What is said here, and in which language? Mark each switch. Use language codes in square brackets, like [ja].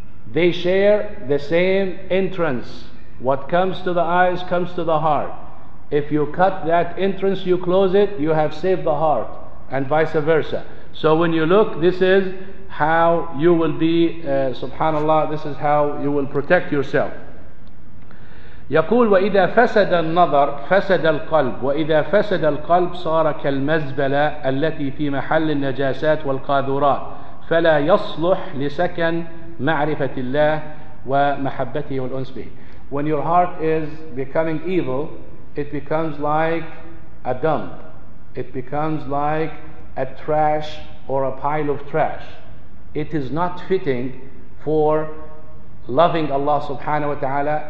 [en] They share the same entrance. What comes to the eyes comes to the heart. If you cut that entrance, you close it, you have saved the heart, and vice versa. So when you look, this is how you will be, subhanAllah, this is how you will protect yourself. [ar] يقول وإذا فسد النظر فسد القلب وإذا فسد القلب صار كالمزبلة التي في محل النجاسات والقاذورات فلا يصلح لسكن معرفة الله ومحبته والأنس به. [en] When your heart is becoming evil, it becomes like a dump. It becomes like a trash or a pile of trash. It is not fitting for loving Allah subhanahu wa ta'ala.